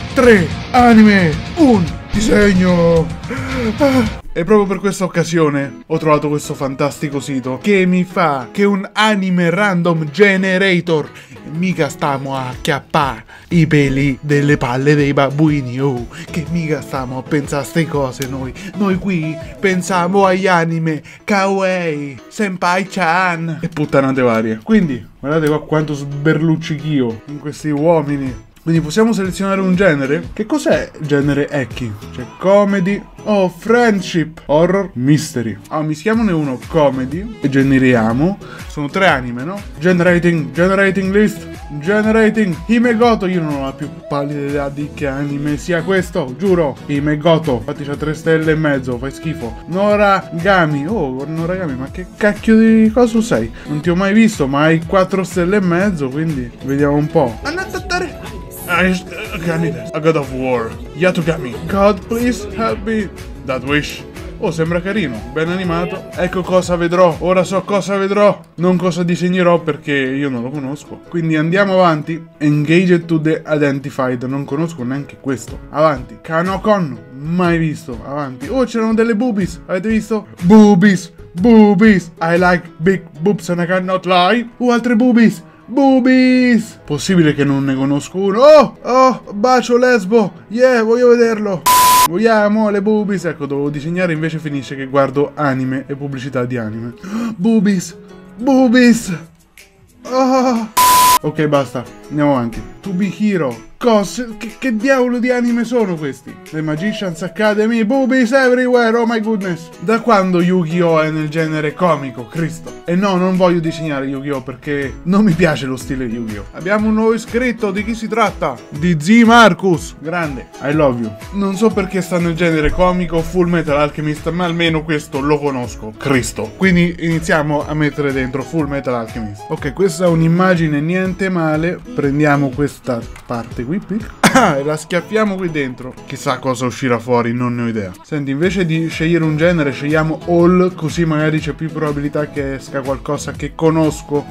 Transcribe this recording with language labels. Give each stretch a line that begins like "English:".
Italian: Tre anime, un disegno. E proprio per questa occasione ho trovato questo fantastico sito che mi fa che un anime random generator mica stiamo a acchiappà i peli delle palle dei babbuini, oh, che mica stiamo a pensare a ste cose noi. Noi qui pensiamo agli anime kawaii, senpai-chan e puttanate varie. Quindi, guardate qua quanto sberluccichio in questi uomini. Quindi possiamo selezionare un genere? Che cos'è genere ecchi? C'è comedy, oh, friendship, horror, mystery. Ah, mischiamone uno, comedy, e generiamo. Sono tre anime, no?
English: Generating, generating list, generating Himegoto.
Italian: Io non ho la più pallida idea di che anime sia questo, giuro. Himegoto, infatti c'ha 3.5 stelle, fai schifo. Noragami, oh, Noragami, ma che cacchio di coso sei? Non ti ho mai visto, ma hai 4.5 stelle, quindi vediamo un po'. Andate a dare...
English: A God of War, Yatugami, God please help me, That Wish.
Italian: Oh, sembra carino, ben animato. Ecco cosa vedrò, ora so cosa vedrò, non cosa disegnerò perché io non lo conosco. Quindi andiamo avanti. Engaged to the Identified, non conosco neanche questo. Avanti, Kanokon, mai visto, avanti. Oh, c'erano delle boobies, avete visto?
English: Boobies, boobies, I like big boobs and I cannot lie.
Italian: Oh, altre boobies, boobies. Possibile che non ne conosco uno. Oh, oh, bacio lesbo. Yeah, voglio vederlo. Vogliamo le boobies. Ecco, dovevo disegnare, invece finisce che guardo anime e pubblicità di anime. Boobies, boobies, oh. Ok, basta, andiamo avanti. To be hero. Che diavolo di anime sono questi?
English: The Magician's Academy, boobies everywhere, oh my goodness.
Italian: Da quando Yu-Gi-Oh! È nel genere comico, Cristo. E no, non voglio disegnare Yu-Gi-Oh! Perché non mi piace lo stile di Yu-Gi-Oh! Abbiamo un nuovo iscritto, di chi si tratta? Di Z Marcus, grande, I love you. Non so perché sta nel genere comico, Full Metal Alchemist, ma almeno questo lo conosco, Cristo. Quindi iniziamo a mettere dentro Full Metal Alchemist. Ok, questa è un'immagine niente male. Prendiamo questa parte qui, e la schiaffiamo qui dentro. Chissà cosa uscirà fuori, non ne ho idea. Senti, invece di scegliere un genere, scegliamo all, così magari c'è più probabilità che esca qualcosa che conosco.